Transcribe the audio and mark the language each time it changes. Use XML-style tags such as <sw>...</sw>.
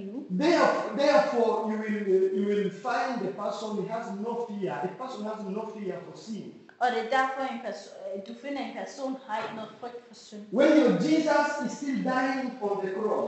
<en>Therefore, you will find the person who has no fear. The person has no fear for sin.</en> <da>Og det er derfor du finder en person har ikke noget frygt for synd.</da> <en>When your Jesus is still dying on the cross.</en>